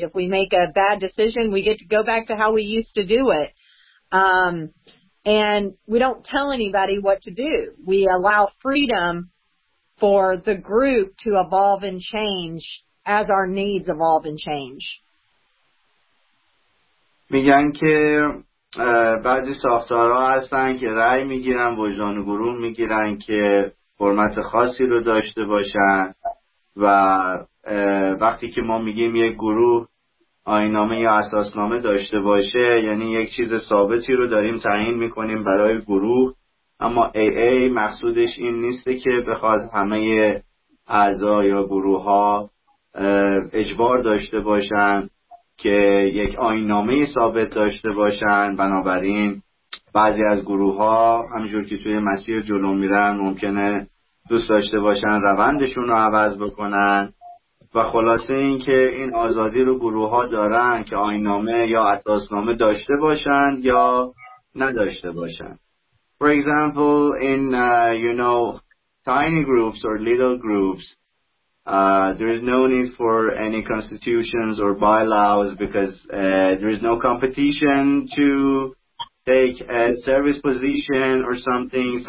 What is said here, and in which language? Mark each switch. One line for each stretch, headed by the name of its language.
English: If we make a bad decision, we get to go back to how we used to do it. And we don't tell anybody what to do. We allow freedom for the group to evolve and change as our needs evolve and change.
Persian: میگن که بعضی ساختارها هستن که رأی میگیرن، وجدان گروه میگیرن که حرمت خاصی رو داشته باشن و وقتی که ما میگیم یک گروه آیین‌نامه یا اساسنامه داشته باشه، یعنی یک چیز ثابتی رو داریم تعیین میکنیم برای گروه، اما AA مقصودش این نیست که بخواد همه اعضا یا گروه ها اجبار داشته باشن که یک آیین‌نامه ثابت داشته باشن. بنابراین بعضی از گروه ها همینجور که توی مسیر جلو میرن ممکنه دوست داشته باشن روندشون رو عوض بکنن و خلاصه این که این آزادی رو گروه ها دارن که آیین‌نامه یا اساسنامه داشته باشن یا نداشته باشن.
English: For example, in you know, tiny groups or little groups, there is no need for any constitutions or bylaws because there is no competition to take a service position or something.